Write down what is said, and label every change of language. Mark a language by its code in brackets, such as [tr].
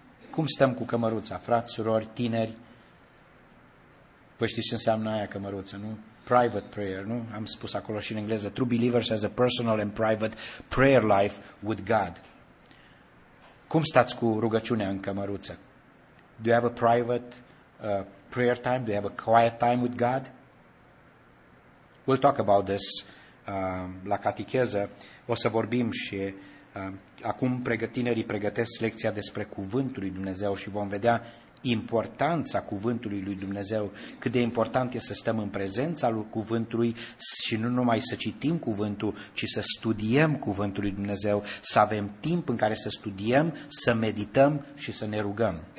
[ro] Cum stăm cu cămăruța, frați, surori, tineri? Vă știți ce înseamnă aia cămăruță, nu? [en] Private prayer, [ro] nu? Am spus acolo și în engleză, [en] true believers has a personal and private prayer life with God. [ro] Cum stați cu rugăciunea în cămăruță? [en] Do you have a private prayer time? Do you have a quiet time with God? We'll talk about this [ro] la catecheză. O să vorbim și acum tinerii pregătesc lecția despre Cuvântul lui Dumnezeu și vom vedea importanța Cuvântului lui Dumnezeu, cât de important e să stăm în prezența lui Cuvântului și nu numai să citim Cuvântul, ci să studiem Cuvântul lui Dumnezeu, să avem timp în care să studiem, să medităm și să ne rugăm.